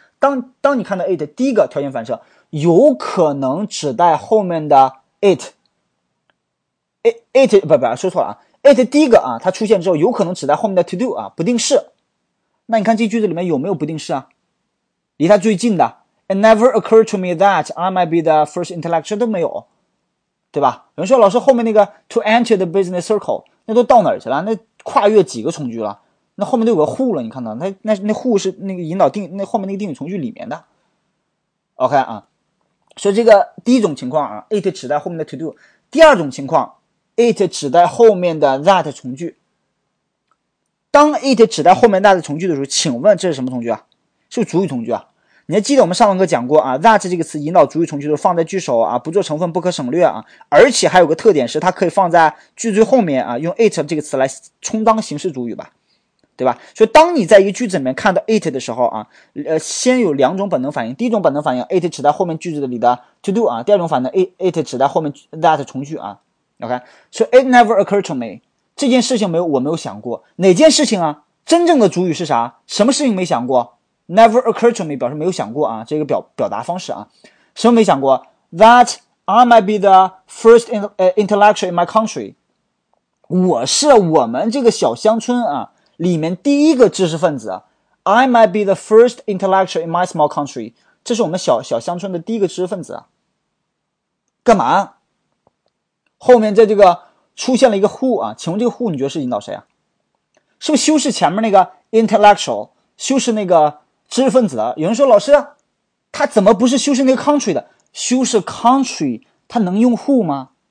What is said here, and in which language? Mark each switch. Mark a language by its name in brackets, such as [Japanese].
[Chinese] 当你看到 it， 第一个条件反射有可能指代后面的 it 不说错了啊， it 第一个啊它出现之后有可能指代后面的 to do 啊，不定式。那你看这句子里面有没有不定式啊？离他最近的 [English] It never occurred to me that I might be the first intellectual [Chinese] 都没有，对吧？有人说老师后面那个 [English] to enter the business circle [Chinese] 那都到哪儿去了？那跨越几个从句了？那后面都有个 who 了，你看到那 who 是那个引导定，那后面那个定语从句里面的。 OK 啊，所以这个第一种情况啊 it 指代后面的 to do， 第二种情况 it 指代后面的 that 从句。当 it 指代后面 that 从句的时候，请问这是什么从句啊？是主语从句啊。你还记得我们上堂课讲过啊 that 这个词引导主语从句的时候放在句首啊，不做成分不可省略啊，而且还有个特点是它可以放在句最后面啊，用 it 这个词来充当形式主语吧，对吧？所以当你在一个句子里面看到 it 的时候啊，先有两种本能反应。第一种本能反应 it 指代后面句子里的 to do 啊，第二种反应 it 指代后面 that 从句啊。 OK， 所以 [English] it never occurred to me， [Chinese] 这件事情我没有想过。哪件事情啊？真正的主语是啥？什么事情没想过？ [English] Never occurred to me [Chinese] 表示没有想过啊，这个表达方式啊，什么没想过 ？ [English] That I might be the first intellectual in my country， [Chinese] 我是我们这个小乡村啊里面第一个知识分子。 [English] I might be the first intellectual in my small country， [Chinese] 这是我们小乡村的第一个知识分子。干嘛？后面在这个出现了一个 who 啊，请问这个 who 你觉得是引导谁啊？是不是修饰前面那个 intellectual， 修饰那个知识分子的？有人说老师，他怎么不是修饰那个 country 的？修饰 country， 他能用 who 吗？